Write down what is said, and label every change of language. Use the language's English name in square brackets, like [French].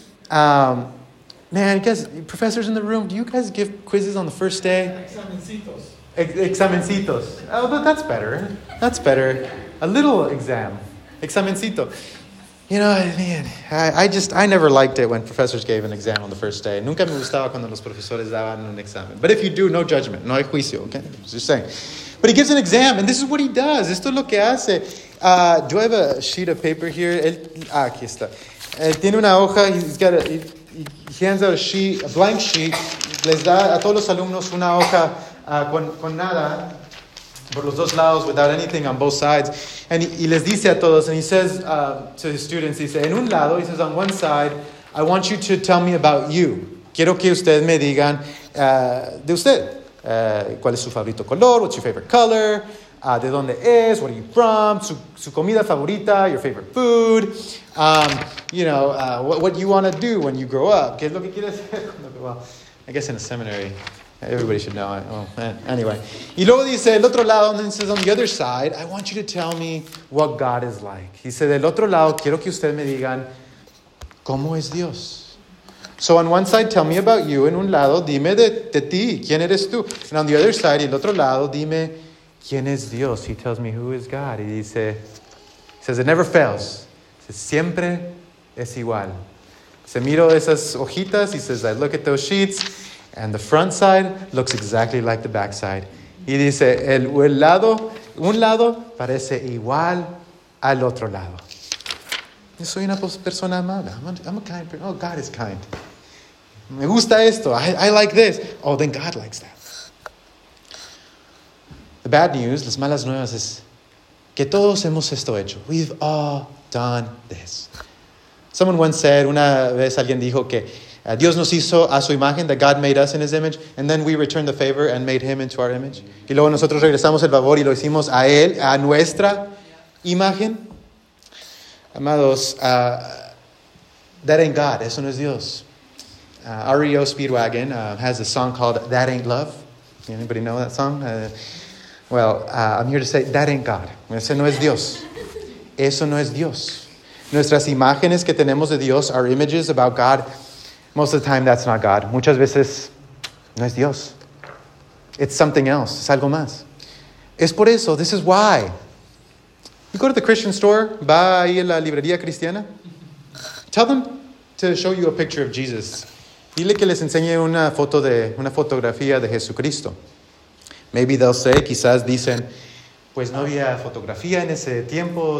[English] Man, you guys, professors in the room, do you guys give quizzes on the first day? [Spanish] Examencitos. [English] Oh, that's better. That's better. A little exam. [Spanish] Examencito. [English] You know, man, I never liked it when professors gave an exam on the first day. [Spanish] Nunca me gustaba cuando los profesores daban un examen. [English] But if you do, no judgment. No hay juicio, okay? Just saying. But he gives an exam, and this is what he does. [Spanish] Esto es lo que hace. Do I have a sheet of paper here? Aquí está. Él tiene una hoja. [English] He hands out a blank sheet. [Spanish] Les da a todos los alumnos una hoja con nada. Por los dos lados, without anything on both sides. [English] And he les dice a todos, and he says to his students, he says, en un lado, he says, on one side, I want you to tell me about you. [Spanish] Quiero que ustedes me digan de usted. ¿Cuál es su favorito color? [English] What's your favorite color? ¿De dónde es? Where are you from? [Spanish] Su comida favorita, your favorite food. [English] You know, what you want to do when you grow up. ¿Qué es lo que quieres hacer? Well, I guess in a seminary, everybody should know. Anyway. Y luego dice, el otro lado, and then he says, on the other side, I want you to tell me what God is like. [Spanish] He said, del otro lado, quiero que ustedes me digan, ¿cómo es Dios? [English] So on one side, tell me about you. [Spanish] En un lado, dime de ti. ¿Quién eres tú? And on the other side, y el otro lado, dime, ¿quién es Dios? [English] He tells me, who is God? Y dice, he says, it never fails. [Spanish] He says, siempre es igual. Se miro esas hojitas. [English] He says, I look at those sheets. And the front side looks exactly like the back side. [Spanish] Y dice, el lado, un lado parece igual al otro lado. [English] Yo soy una persona amable. I'm a kind person. Oh, God is kind. Me gusta esto. I like this. Oh, then God likes that. [Spanish] The bad news, las malas nuevas, es que todos hemos esto hecho. [English] We've all done this. Someone once said, una vez alguien dijo que Dios nos hizo a su imagen, that God made us in his image, and then we returned the favor and made him into our image. [Spanish] Y luego nosotros regresamos el favor y lo hicimos a él, a nuestra imagen. Amados, that ain't God, eso no es Dios. [English] REO Speedwagon has a song called That Ain't Love. Anybody know that song? I'm here to say, that ain't God. Ese no es Dios. [Spanish] Eso no es Dios. Nuestras imágenes que tenemos de Dios, our images about God, most of the time, that's not God. Muchas veces, no es Dios. It's something else. Es algo más. Es por eso. This is why. [English] You go to the Christian store. Va ahí a la librería cristiana. Tell them to show you a picture of Jesus. [Spanish] Dile que les enseñe una fotografía de Jesucristo. Maybe they'll say, quizás dicen, pues no había fotografía en ese tiempo.